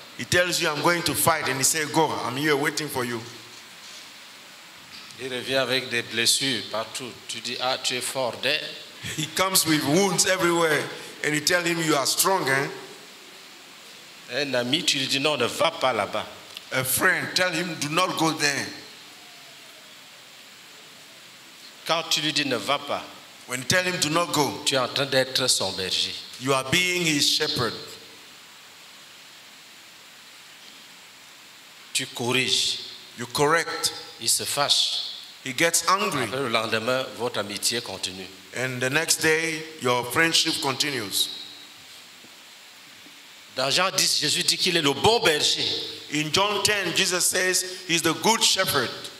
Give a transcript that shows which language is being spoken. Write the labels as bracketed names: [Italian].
[English] He tells you I'm going to fight and he says go, I'm here waiting for you. [French] Il revient avec des blessures partout. Tu dis ah tu es fort. Then [English] he comes with wounds everywhere and you tell him you are strong, hein? [French] Un ami, tu lui dis non, ne va pas là-bas. [English] A friend, tell him, do not go there. [French] Quand tu lui dis ne va pas, [English] when tell him do not go, [French] tu es en train d'être son berger. [English] You are being his shepherd. [French] Tu corriges. [English] You correct. [French] Il se fâche. [English] He gets angry. [French] Après, le lendemain, votre amitié continue. [English] And the next day, your friendship continues. [French] Dans Jean 10, Jésus dit qu'il est le bon berger. [English] In John 10, Jesus says he's the good shepherd.